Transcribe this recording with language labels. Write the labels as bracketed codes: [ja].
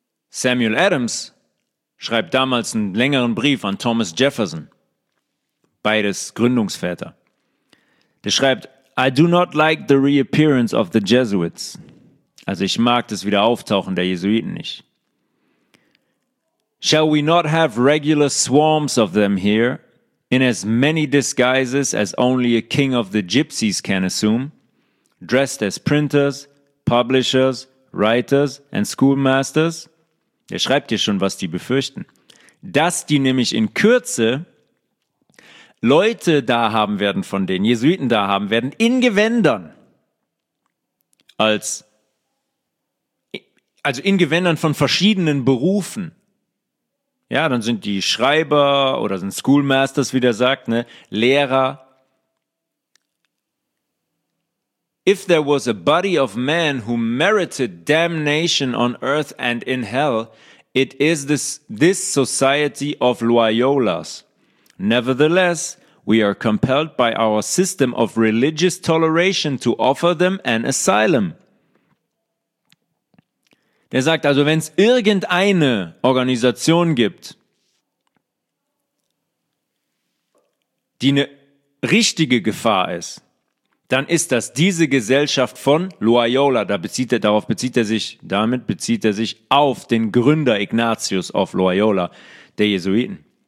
[de] Samuel Adams schreibt damals einen längeren Brief an Thomas Jefferson, beides Gründungsväter. Der schreibt, [en] I do not like the reappearance of the Jesuits. [de] Also ich mag das Wiederauftauchen der Jesuiten nicht. [en] Shall we not have regular swarms of them here, in as many disguises as only a king of the gypsies can assume, dressed as printers, publishers, writers and schoolmasters? [de] Er schreibt hier schon, was die befürchten. Dass die nämlich in Kürze Leute da haben werden von denen, Jesuiten da haben werden, in Gewändern. Also in Gewändern von verschiedenen Berufen. Ja, dann sind die Schreiber oder sind Schoolmasters, wie der sagt, ne, Lehrer. [en] If there was a body of men who merited damnation on earth and in hell, it is this society of Loyolas. Nevertheless, we are compelled by our system of religious toleration to offer them an asylum. [de] Der sagt also, wenn es irgendeine Organisation gibt, die eine richtige Gefahr ist, dann ist das diese Gesellschaft von Loyola. Damit bezieht er sich auf den Gründer Ignatius of Loyola, der Jesuiten.